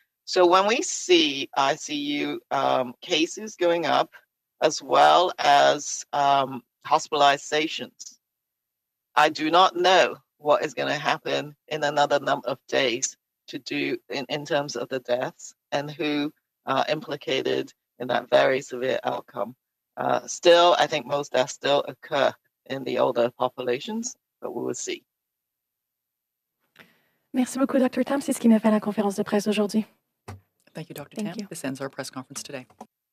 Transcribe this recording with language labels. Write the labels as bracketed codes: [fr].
[en] So when we see ICU cases going up, as well as hospitalizations, I do not know what is going to happen in another number of days to do in terms of the deaths and who are implicated in that very severe outcome. Still, I think most deaths still occur in the older populations, but we will see. [fr] Merci beaucoup, Dr. Tam. C'est ce qui met fin à la conférence de presse aujourd'hui. [en] Thank you, Dr. Tam. This ends our press conference today.